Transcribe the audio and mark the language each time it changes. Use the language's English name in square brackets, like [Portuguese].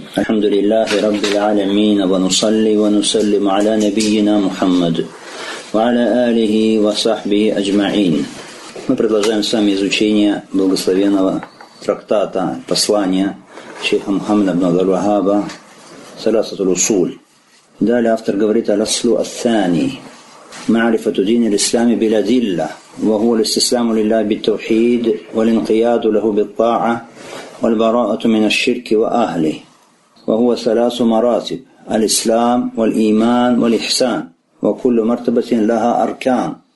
[Arabic] الحمد لله رب العالمين، ونصلي ونسلم على نبينا محمد وعلى آله وصحبه أجمعين. [Russian] Мы продолжаем с вами изучение благословенного трактата послания шейха Мухаммада ибн аль-Вахаба Саласат аль-Усул. Далее автор говорит о расслу ас-сани [Arabic] معرفة دين الإسلام بالأدلة، وهو الاستسلام لله بالتوحيد والانقياد له بالطاعة والبراءة من الشرك وأهله، وهو ثلاث مراتب: الإسلام والإيمان والإحسان، وكل مرتبة لها أركان.